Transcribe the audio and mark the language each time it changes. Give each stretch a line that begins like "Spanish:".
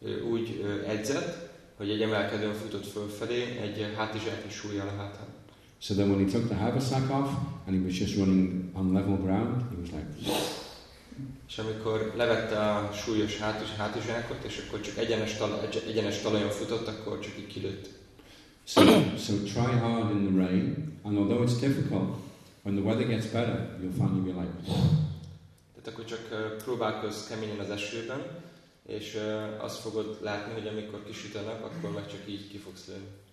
Hungarian: Úgy edzett, hogy egy emelkedőn futott fölfelé, egy hátizsák is súlyjal a hátán.
English: So then when he took the haversack off, and he was just running on level ground, he was like...
Hungarian: És amikor levette a súlyos hátizsákot, és akkor csak egyenes talajon futott, akkor csak így kilőtt.
English: So try hard in the rain, and although it's difficult, when the weather gets better, you'll finally be like...
Hungarian: Tehát akkor csak próbálkozz keményen az esőben, És azt fogod látni, hogy amikor kisütenek, akkor meg csak így ki fogsz lőni.